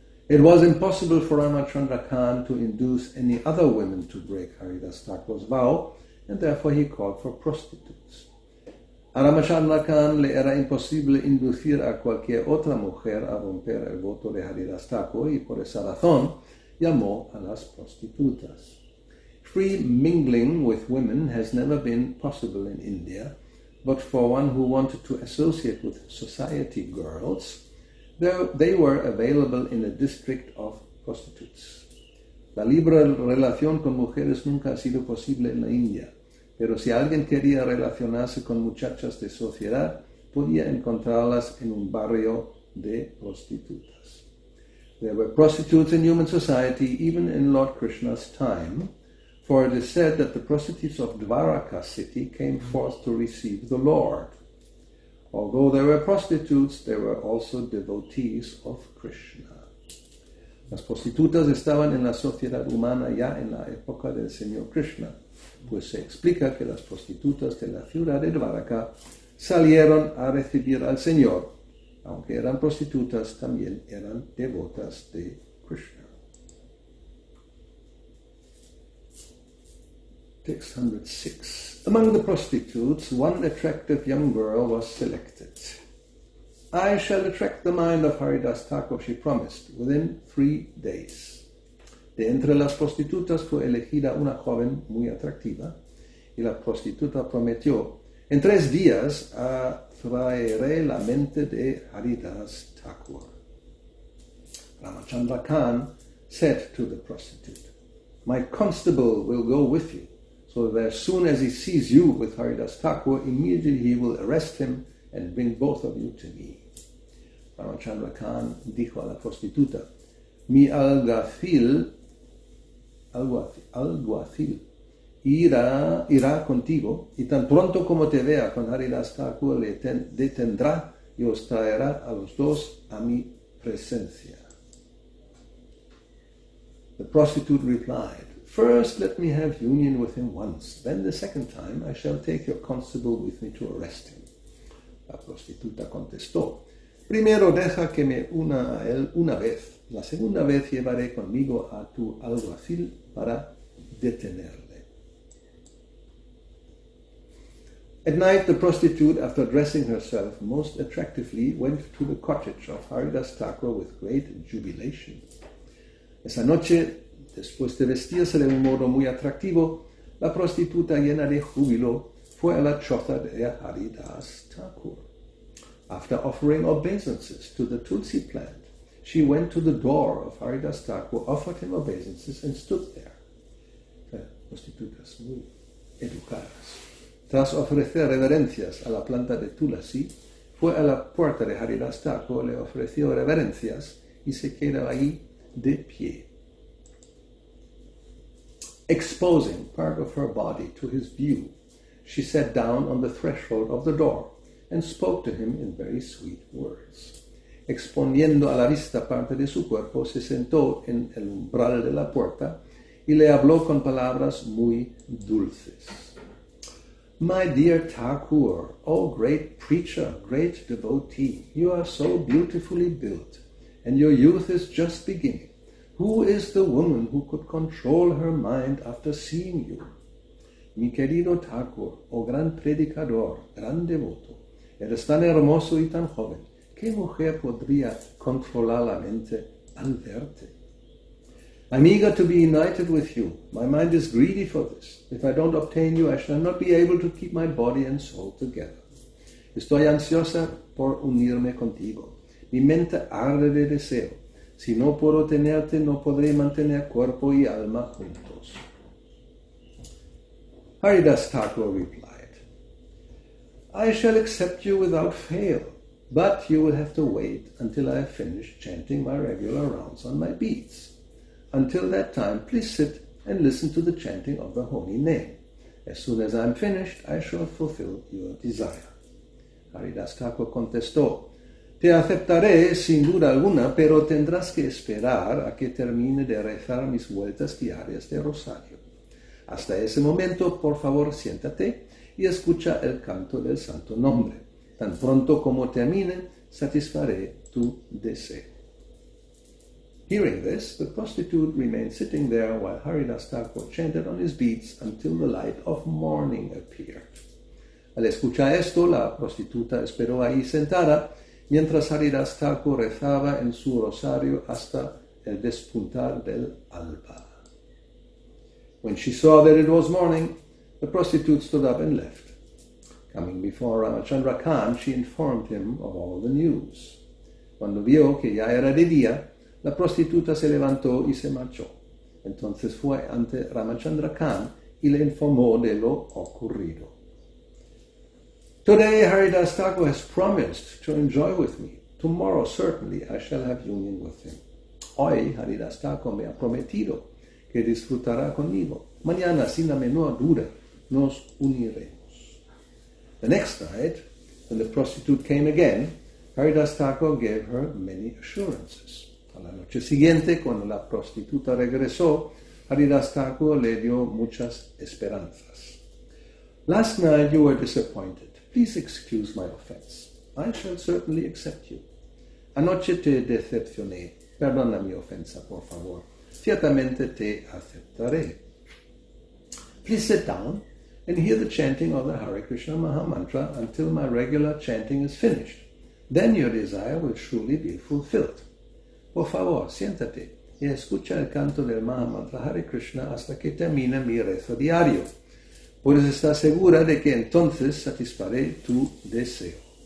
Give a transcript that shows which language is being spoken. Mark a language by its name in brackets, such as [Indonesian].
[English] It was impossible for Ramachandra Khan to induce any other women to break Haridas Thakur's vow, and therefore he called for prostitutes. [Spanish] A Ramachandra Khan le era imposible inducir a cualquier otra mujer a romper el voto de Haridas Thakur, y por esa razón llamó a las prostitutas. [English] Free mingling with women has never been possible in India, but for one who wanted to associate with society girls, they were available in a district of prostitutes. [Spanish] La libre relación con mujeres nunca ha sido posible en la India, pero si alguien quería relacionarse con muchachas de sociedad, podía encontrarlas en un barrio de prostitutas. [English] There were prostitutes in human society even in Lord Krishna's time, for it is said that the prostitutes of Dwaraka city came forth to receive the Lord. Although there were prostitutes, there were also devotees of Krishna. [Spanish] Las prostitutas estaban en la sociedad humana ya en la época del Señor Krishna, pues se explica que las prostitutas de la ciudad de Dwaraka salieron a recibir al Señor. Aunque eran prostitutas, también eran devotas de Krishna. [English] Text 106. Among the prostitutes, one attractive young girl was selected. I shall attract the mind of Haridas Thakur, she promised, within 3 days. [Spanish] De entre las prostitutas fue elegida una joven muy atractiva, y la prostituta prometió, en 3 días atraeré la mente de Haridas Thakur. [English] Ramachandra Khan said to the prostitute, my constable will go with you, so that as soon as he sees you with Haridas Thakur, immediately he will arrest him and bring both of you to me. [Spanish] Ramachandra Khan dijo a la prostituta, mi alguacil irá contigo, y tan pronto como te vea con Haridas Thakur, le detendrá y os traerá a los dos a mi presencia. [English] The prostitute replied, first, let me have union with him once. Then the second time, I shall take your constable with me to arrest him. [Spanish] La prostituta contestó, primero deja que me una a él una vez. La segunda vez llevaré conmigo a tu alguacil para detenerle. [English] At night, the prostitute, after dressing herself most attractively, went to the cottage of Haridas Thakur with great jubilation. [Spanish] Esa noche, Después de vestirse de un modo muy atractivo, la prostituta llena de júbilo fue a la choza de Haridas Thakur. [English] After offering obeisances to the tulsi plant, she went to the door of Haridas Thakur, offered him obeisances and stood there. [Spanish] Prostitutas muy educadas. Tras ofrecer reverencias a la planta de tulsi, fue a la puerta de Haridas Thakur, le ofreció reverencias y se quedó ahí de pie. [English] Exposing part of her body to his view, she sat down on the threshold of the door and spoke to him in very sweet words. [Spanish] Exponiendo a la vista parte de su cuerpo, se sentó en el umbral de la puerta y le habló con palabras muy dulces. [English] My dear Thakur, O great preacher, great devotee, you are so beautifully built, and your youth is just beginning. Who is the woman who could control her mind after seeing you? [Spanish] Mi querido Thakur, oh gran predicador, gran devoto, eres tan hermoso y tan joven, ¿qué mujer podría controlar la mente al verte? [English] I'm eager to be united with you. My mind is greedy for this. If I don't obtain you, I shall not be able to keep my body and soul together. [Spanish] Estoy ansiosa por unirme contigo. Mi mente arde de deseo. Si no puedo tenerte, no podré mantener cuerpo y alma juntos. [English] Haridas Thakur replied, I shall accept you without fail, but you will have to wait until I have finished chanting my regular rounds on my beads. Until that time, please sit and listen to the chanting of the holy name. As soon as I am finished, I shall fulfill your desire. [Spanish] Haridas Thakur contestó, Te aceptaré sin duda alguna, pero tendrás que esperar a que termine de rezar mis vueltas diarias de rosario. Hasta ese momento, por favor, siéntate y escucha el canto del santo nombre. Tan pronto como termine, satisfaré tu deseo. [English] Hearing this, the prostitute remained sitting there while Haridas Thakur chanted on his beads until the light of morning appeared. [Spanish] Al escuchar esto, la prostituta esperó ahí sentada mientras Haridas Thakur rezaba en su rosario hasta el despuntar del alba. [English] When she saw that it was morning, the prostitute stood up and left. Coming before Ramachandra Khan, she informed him of all the news. [Spanish] Cuando vio que ya era de día, la prostituta se levantó y se marchó. Entonces fue ante Ramachandra Khan y le informó de lo ocurrido. [English] Today Haridas Thakur has promised to enjoy with me. Tomorrow certainly I shall have union with him. [Spanish] Hoy Haridas Thakur me ha prometido que disfrutará conmigo. Mañana, sin la menor duda, nos uniremos. [English] The next night, when the prostitute came again, Haridas Thakur gave her many assurances. [Spanish] A la noche siguiente, cuando la prostituta regresó, Haridas Thakur le dio muchas esperanzas. [English] Last night you were disappointed. Please excuse my offense. I shall certainly accept you. [Spanish] Anoche te decepcioné. Perdona mi ofensa, por favor. Ciertamente te aceptaré. [English] Please sit down and hear the chanting of the Hare Krishna Maha Mantra until my regular chanting is finished. Then your desire will surely be fulfilled. [Spanish] Por favor, siéntate y escucha el canto del Maha Mantra Hare Krishna hasta que termine mi rezo diario. Puedes estar segura de que entonces satisfaré tu deseo.